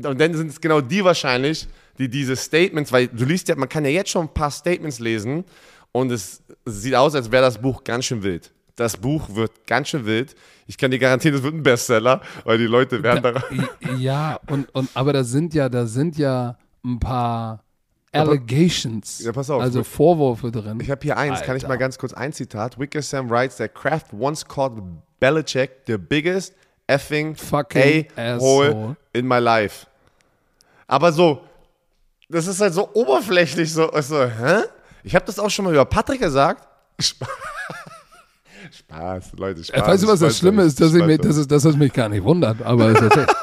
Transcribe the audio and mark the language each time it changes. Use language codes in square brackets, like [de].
[de] Und dann sind es genau die wahrscheinlich, die diese Statements, weil du liest ja, man kann ja jetzt schon ein paar Statements lesen und es sieht aus, als wäre das Buch ganz schön wild. Das Buch wird ganz schön wild. Ich kann dir garantieren, es wird ein Bestseller, weil die Leute werden daran. Ja, aber da sind ja ein paar Allegations, ja, pass auf, also Vorwürfe drin. Ich habe hier eins, Alter. Kann ich mal ganz kurz ein Zitat. [en] Wickersham writes, that Kraft once called Belichick the biggest effing fucking a-hole in my life. [de] Aber so, das ist halt so oberflächlich, so, hä? Ich habe das auch schon mal über Patrick gesagt. Spaß, Leute, Spaß. Weißt du, was das Schlimme ist, dass es mich gar nicht wundert, aber es ist